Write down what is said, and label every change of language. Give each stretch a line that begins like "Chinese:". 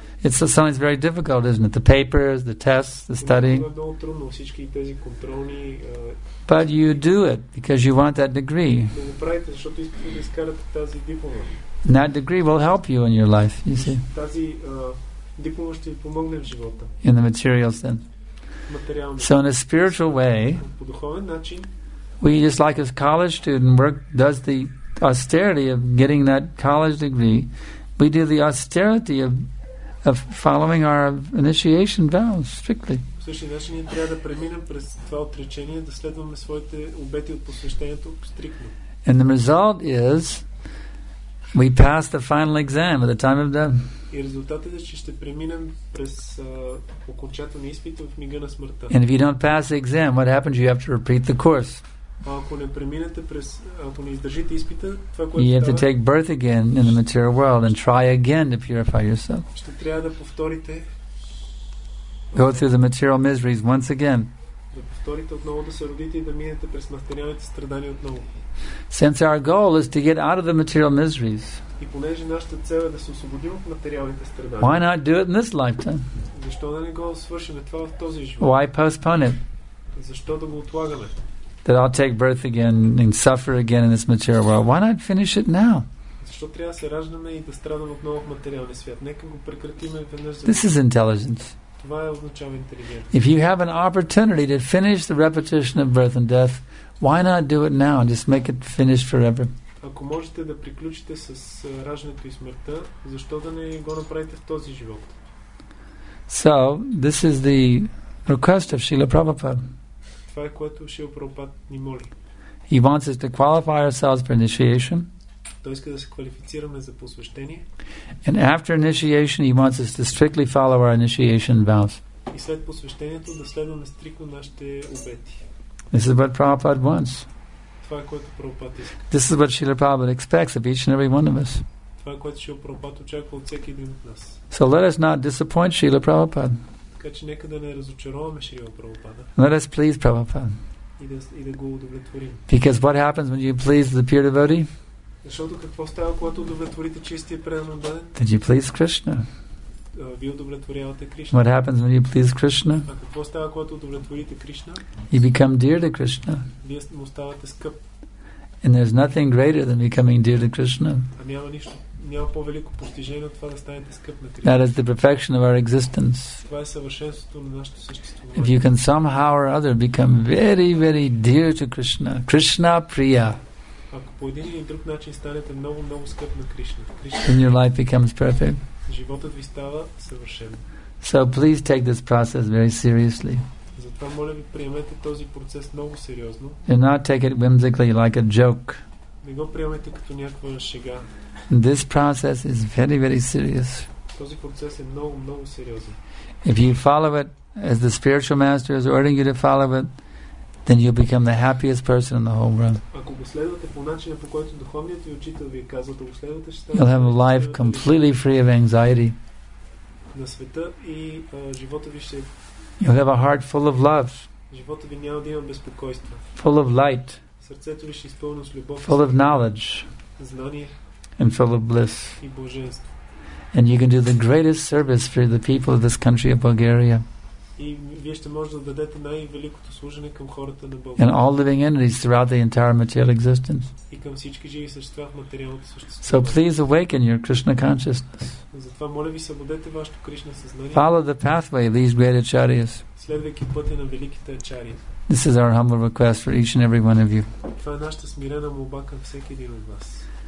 English: It's sometimes very difficult, isn't it? The papers, the tests, the studying.
Bulgarian: Много трудно, всички тези контролни.
English: But you do it because you want that degree.
Bulgarian: Го правите, защото искате да изкарате тази диплома.
English: And that degree will help you in your life, you see.
Bulgarian: Тази диплома ще ви помогне в живота.
English: In the material sense.
Bulgarian: Материално.
English: So in a spiritual way,
Bulgarian: по духовен начин,
English: we just like a college student work does the austerity of getting that college degree, we do the austerity of following our initiation vows strictly.
Bulgarian: Всъщност значи ние трябва да преминем през това отречение, да следваме своите обети от посвещението стриктно.
English: And the result is we pass the final exam at the time of death.
Bulgarian: И резултатът е, че ще преминем през окончателния изпит в мига на смъртта.
English: And if you don't pass the exam, what happens? You have to repeat the course.
Bulgarian: Ако не преминете през, ако не издържите изпита, това което става,
English: you have to take birth again in the material world and try again to purify yourself.
Bulgarian: Ще трябва да повторите.
English: Go through the material miseries once again.
Bulgarian: Да повторите отново, да се родите и да минете през материалните страдания отново.
English: Since our goal is to get out of the material miseries,
Bulgarian: и понеже нашата цел е да се освободим от материалните страдания,
English: why not do it in this lifetime?
Bulgarian: Защо да не го свършим това в този живот?
English: Why postpone it?
Bulgarian: Защо да го отлагаме?
English: That I'll take birth again and suffer again in this material world. Why not finish it now?
Bulgarian: Защо трябва да се раждаме и да страдаме отново в материалния свят? Нека го прекратим веднъж.
English: This is intelligence.
Bulgarian: Това е означава интелигентност.
English: If you have an opportunity to finish the repetition of birth and death, why not do it now and just make it finish forever?
Bulgarian: Ако можете да приключите с раждането и смъртта, защо да не го направите в този живот?
English: So, this is the request of Srila Prabhupada.
Bulgarian: Това е което Шрила Прабхупад ни моли.
English: He wants us to qualify ourselves for initiation.
Bulgarian: Той иска да се квалифицираме за посвещение.
English: And after initiation, he wants us to strictly follow our initiation vows.
Bulgarian: И след посвещението да следваме стриктно нашите обети.
English: This is what Prabhupada wants.
Bulgarian: Това е което Прабхупад иска.
English: This is what Srila Prabhupada expects of each and every one of us.
Bulgarian: Това е което Шрила Прабхупад очаква от всеки един от нас.
English: So let us not disappoint Srila Prabhupada.
Bulgarian: Така че нека да не разочароваме Шрила Прабхупада.
English: Let us please Prabhupada.
Bulgarian: И да го удовлетворим.
English: Because what happens when you please the pure devotee?
Bulgarian: Защото какво става, когато удовлетворите чистия преданоден?
English: Then you please Krishna.
Bulgarian: Вие удовлетворявате Кришна.
English: What happens when you please Krishna?
Bulgarian: А какво става, когато удовлетворите Кришна?
English: You become dear to Krishna.
Bulgarian: Вие му ставате скъп.
English: And there's nothing greater than becoming dear to Krishna.
Bulgarian: А няма нищо, няма по-велико постижение от това да станете скъп на Кришна.
English: That is the perfection of our existence.
Bulgarian: Това е съвършенството на нашето съществуване.
English: If you can somehow or other become very, very dear to Krishna, Krishna Priya.
Bulgarian: Ако по един или друг начин станете много, много скъп на Кришна,
English: then your life becomes perfect.
Bulgarian: Животът ви става съвършен.
English: So please take this process very seriously.
Bulgarian: Затова моля ви, приемете този процес много сериозно.
English: Do not take it whimsically like a joke.
Bulgarian: Не го приемете като някаква шега.
English: This process is very, very serious.
Bulgarian: Този процес е много, много сериозен.
English: If you follow it as the spiritual master is ordering you to follow it, then you'll become the happiest person in the whole world.
Bulgarian: Ако го следвате по начина, по който духовният ви учител ви е казал да го следвате, ще
English: you'll have a life completely free of anxiety.
Bulgarian: На света и живота ви ще
English: you'll have a heart full of love.
Bulgarian: Живота ви няма да има безпокойство.
English: Full of light.
Bulgarian: Сърцето ви ще е изпълнено с любов.
English: Full of knowledge.
Bulgarian: Знание.
English: And full of bliss.
Bulgarian: И блаженство.
English: And you can do the greatest service for the people of this country of Bulgaria.
Bulgarian: И вие ще можете да дадете най-великото служение към хората на Бълга.
English: And all living entities throughout the entire material existence.
Bulgarian: И към всички живи същества в материалното съществуване.
English: So please awaken your Krishna consciousness.
Bulgarian: Затова моля ви, събудете вашето Кришна съзнание.
English: Follow the pathway of these great acharyas.
Bulgarian: Следвайки пътя на великите ачари.
English: This is our humble request for each and every one of you.
Bulgarian: Това е нашата смирена молба към всеки един от вас.